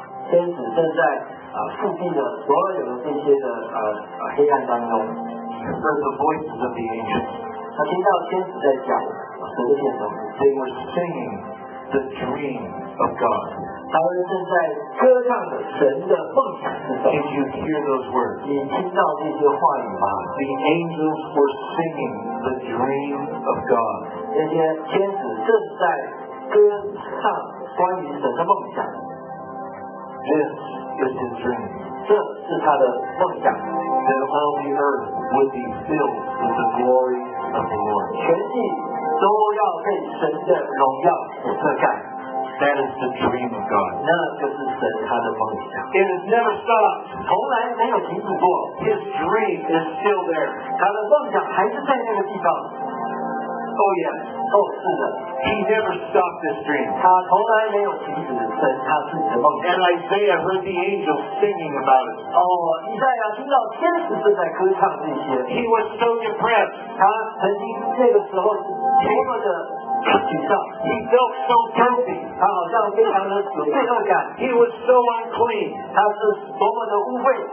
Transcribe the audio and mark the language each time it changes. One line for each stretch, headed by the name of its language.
Chinese: 天使正在覆庇的所有的这些的黑暗当中.
English: He heard the voices of the angels.
Chinese: 他听到天使在讲.
English: They were singing the dream of God.
Chinese: 他们正在歌唱神的梦想是什么?
English: Did you hear those words?
Chinese: 你听到这些话语吗?
English: The angels were singing the dream of God.
Chinese: 那些天使正在歌唱关于神的梦想.
English: This is his dream.
Chinese: 这是他的梦想.
English: That all the earth would be filled with the glory of the Lord.
Chinese: 全地 都要被神的荣耀所遮盖.
English: That is the dream of God.
Chinese: 那就是神他的梦想.
English: It has never stopped.
Chinese: 从来没有停止过.
English: His dream is still there.
Chinese: 他的梦想还是在那个地方.
English: Oh yes.
Chinese: 哦，是的.
English: He never stopped this dream.
Chinese: 他从来没有停止神他自己的梦想.
English: And Isaiah heard the angels singing about it.
Chinese: 哦，以赛亚听到天使正在歌唱这些.
English: He was so depressed.
Chinese: 他曾经那个时候 多么的沮丧.
English: He felt so filthy.
Chinese: 他好像非常的有罪恶感.
English: He was so unclean.
Chinese: 他是多么的污秽.